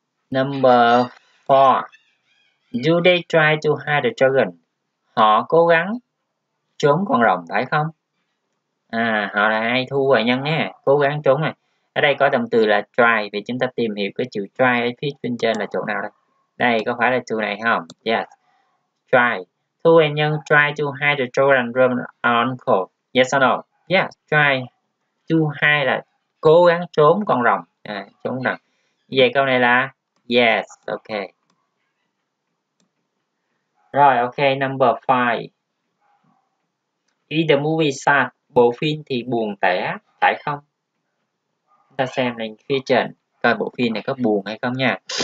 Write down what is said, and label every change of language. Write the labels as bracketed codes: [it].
[en] Number 4. Do they try to hide the dragon? [vi] Họ cố gắng trốn con rồng phải không? À, họ là ai? Thu và Nhân nha. Cố gắng trốn này. Ở đây có động từ là try, vì chúng ta tìm hiểu cái chữ try ở phía bên trên là chỗ nào đây. Đây, có phải là từ này không? [en] Yes. Try. Thu and Young try to hide the children from uncle. Yes or no? Yes, try to hide [vi] là cố gắng trốn con rồng. À, trốn rồng. Vậy câu này là yes, ok. Rồi, [en] ok, number 5. Is the movie sad? [vi] Bộ phim thì buồn tẻ, phải không? Ta xem lên phía trên, coi bộ phim này có buồn hay không nha.